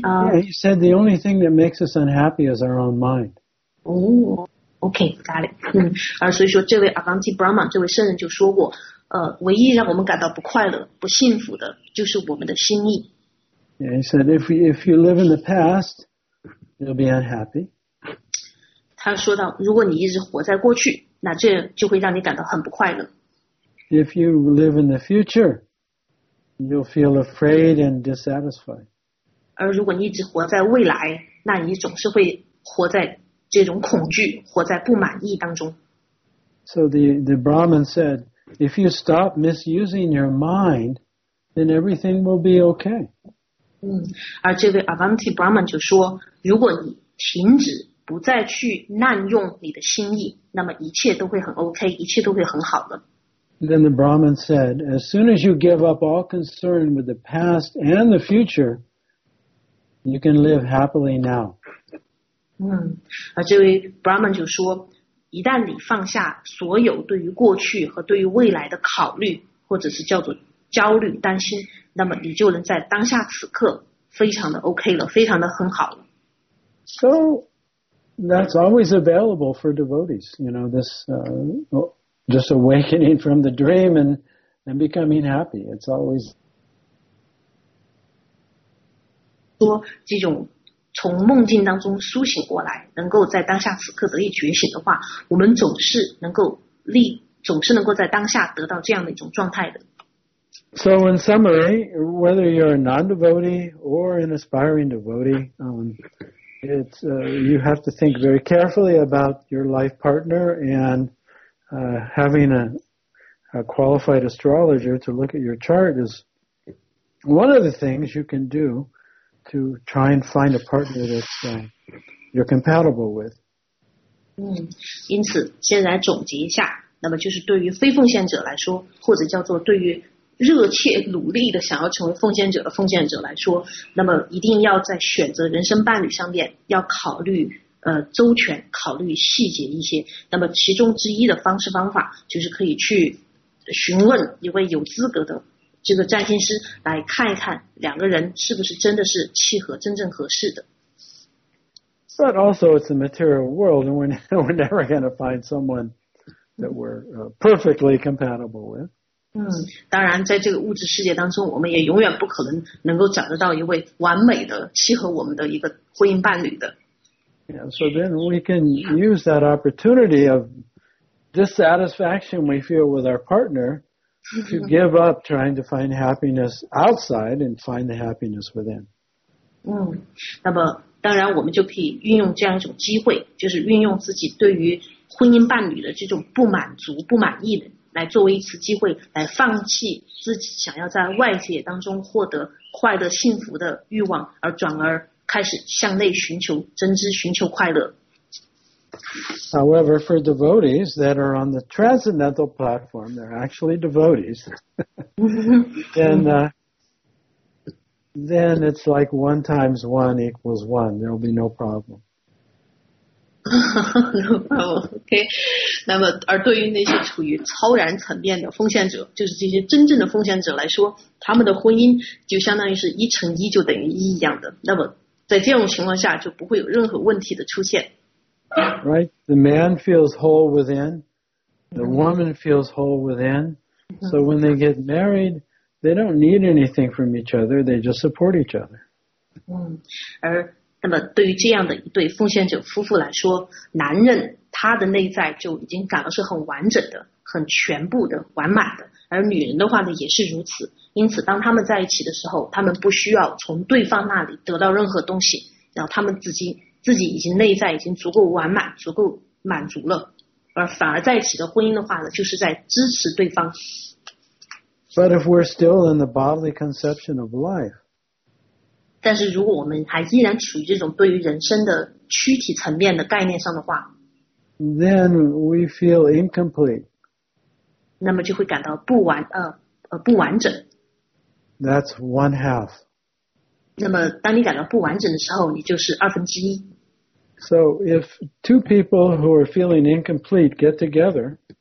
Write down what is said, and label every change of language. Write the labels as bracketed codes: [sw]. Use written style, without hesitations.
[en] Yeah, he said the only thing that makes us unhappy is our own mind. Oh, okay, got it. [zh] 所以说这位 Avanti Brahman, 这位圣人就说过唯一让我们感到不快乐不幸福的就是我们的心意。 [en] Yeah, he said if you live in the past, you'll be unhappy. [zh] 他说到如果你一直活在过去那这就会让你感到很不快乐。 [en] If you live in the future, you'll feel afraid and dissatisfied. [zh] 而如果你一直活在未来那你总是会活在这种恐惧活在不满意当中。 [en] So the Brahman said, if you stop misusing your mind, then everything will be okay. [zh] 而这位 Avanti Brahman 就说如果你停止不再去滥用你的心意，那么一切都会很 OK， 一切都会很好的。 [en] Then the Brahman said, as soon as you give up all concern with the past and the future, you can live happily now. [zh] 而这位 Brahman 就说，一旦你放下所有对于过去和对于未来的考虑，或者是叫做焦虑、担心，那么你就能在当下此刻非常的 OK 了，非常的很好了。 [en] So,That's always available for devotees, you know, this, just awakening from the dream and becoming happy. It's always. [zh] 说这种从梦境当中苏醒过来能够在当下此刻得以觉醒的话我们总是能够在当下得到这样的一种状态的。 [en] So in summary, whether you're a non-devotee or an aspiring devotee, It's you have to think very carefully about your life partner and having a qualified astrologer to look at your chart is one of the things you can do to try and find a partner that you're compatible with. [zh] 因此先来总结一下，那么就是对于非奉献者来说，或者叫做对于热切努力的想要成为奉献者的奉献者来说，那么一定要在选择人生伴侣上面要考虑周全，考虑细节一些。那么其中之一的方式方法就是可以去询问一位有资格的这个占星师来看一看两个人是不是真的是契合，真正合适的。 [en] But also it's a material world and we're never going to find someone that we're perfectly compatible with. [zh] 当然在这个物质世界当中我们也永远不可能能够找得到一位完美的契合我们的一个婚姻伴侣的。 [en] Yeah, so then we can use that opportunity of dissatisfaction we feel with our partner to give up trying to find happiness outside and find the happiness within. [zh] 那么当然我们就可以运用这样一种机会，就是运用自己对于婚姻伴侣的这种不满足不满意的来作为一次机会来放弃自己想要在外界当中获得快乐幸福的欲望，而转而开始向内寻求真知，寻求快乐。 [en] However, for devotees that are on the transcendental platform, they're actually devotees, then it's like one times one equals one. There'll be no problem. okay. [zh] 那么而对于那些处于超然层面的奉献者，就是这些真正的奉献者来说，他们的婚姻就相当于是一乘一就等于一一样的，那么在这种情况下就不会有任何问题的出现。 [en] Right, the man feels whole within, the woman feels whole within, so when they get married, they don't need anything from each other, they just support each other. [zh] 而那么对于这样的一对奉献者夫妇来说，男人他的内在就已经感到是很完整的，很全部的，完满的，而女人的话呢也是如此。因此当他们在一起的时候，他们不需要从对方那里得到任何东西，然后他们自己已经内在已经足够完满，足够满足了，而反而在一起的婚姻的话呢，就是在支持对方。 [en] But if we're still in the bodily conception of life, [zh] 但是如果我们还依然处于这种对于人生的躯体层面的概念上的话， [en] then we feel incomplete. [zh] 那么就会感到不完整。 [en] That's one half. [zh] 那么当你感到不完整的时候，你就是二分之一。 [en] So if two people who are feeling incomplete get together,